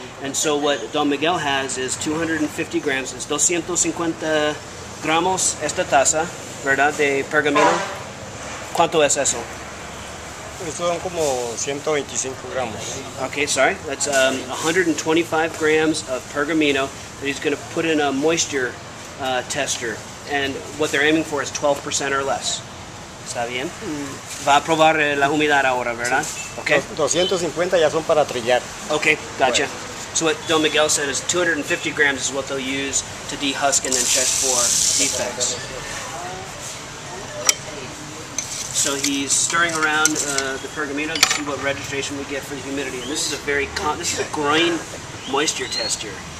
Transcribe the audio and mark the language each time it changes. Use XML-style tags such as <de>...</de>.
<en>And so what Don Miguel has is 250 grams, it's 250</en> <es>gramos esta taza, ¿verdad?, de pergamino. ¿Cuánto es eso? Estos son como 125 gramos.</es> <en>Okay, sorry. That's 125 grams of pergamino that he's going to put in a moisture tester. And what they're aiming for is 12% or less.</en> <es>¿Está bien? Va a probar la humedad ahora, ¿verdad? Okay. 250 ya son para trillar.</es> <en>Okay, gotcha. So what Don Miguel said is 250 grams is what they'll use to de-husk and then check for defects. So he's stirring around the pergamino to see what registration we get for the humidity. And this is a very this is a grain moisture test here.</en>